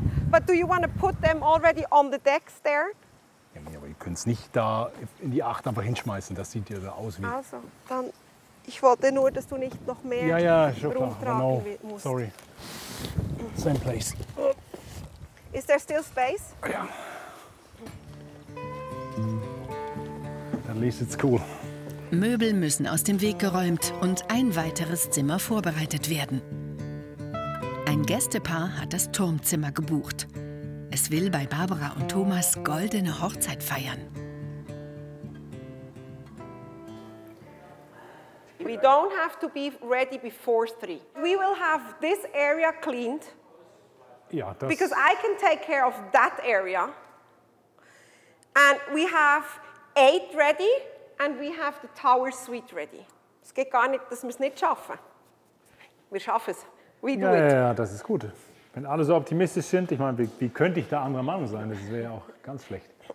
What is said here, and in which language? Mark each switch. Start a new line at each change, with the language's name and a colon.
English: But do you want to put them already on the decks there?
German: Ja, aber ihr könnt es nicht da in die 8 einfach hinschmeißen. Das sieht ja so aus wie. Also, dann. Ich wollte nur, dass du nicht noch mehr rumtragen musst.
English: Sorry. Same place. Is there still space?
German: Ja.
English: At least it's cool.
German: Möbel müssen aus dem Weg geräumt und ein weiteres Zimmer vorbereitet werden. Ein Gästepaar hat das Turmzimmer gebucht. Es will bei Barbara und Thomas goldene Hochzeit feiern.
English: We don't have to be ready before 3. We will have this area cleaned.
German: Ja, das.
English: Because I can take care of that area. And we have 8 ready and we have the tower suite ready.
German: Es geht gar nicht, dass wir es nicht schaffen. Wir schaffen es.
English: We do
German: it. Ja, das ist gut. Wenn alle so optimistisch sind, ich meine, wie könnte ich da anderer Meinung sein? Das wäre ja auch ganz schlecht.